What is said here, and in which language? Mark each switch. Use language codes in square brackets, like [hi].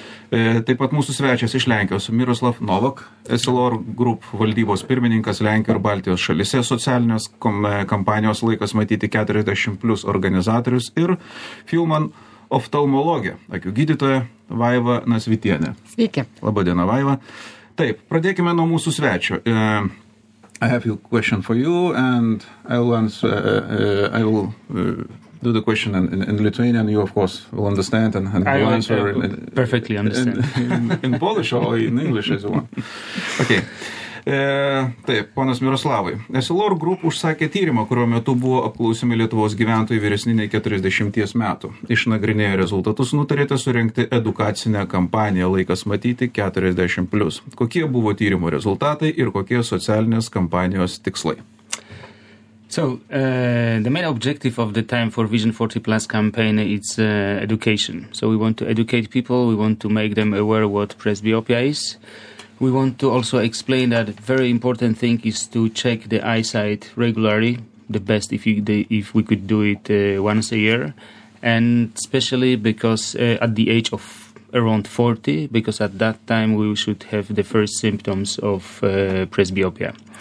[lt] Taip pat mūsų svečias iš Lenkijos Miroslav Novak, SLR Group valdybos pirmininkas Lenkijos ir Baltijos šalise, socialinės kompanijos Laikas matyti 40 plus organizatorius ir Filman oftalmologė, akių gydytoja Vaiva Nasvitienė. Sveiki. Labadiena, Vaiva. Taip, pradėkime nuo mūsų svečio. [en] I have a question for you and I will do the question in Lithuanian. You, of course, will understand and I will answer. Perfectly understand. In Polish or in English as well. Okay. [lt] Taip, ponas Miroslavai. SLR Group užsakė tyrimą, kurio metu buvo apklausimi Lietuvos gyventojai vyresniniai 40 metų. Išnagrinėję rezultatus nutarėte surengti edukacinę kampaniją Laikas matyti 40 plus. Kokie buvo tyrimo rezultatai ir kokie socialinės kampanijos tikslai? [en] So, the main objective of the Time for Vision 40 Plus campaign is education. So we want to educate people, we want to make them aware what presbyopia is. We want to also explain that very important thing is to check the eyesight regularly, the best if we could do it once a year, and especially because at the age of around 40, because at that time we should have the first symptoms of presbyopia.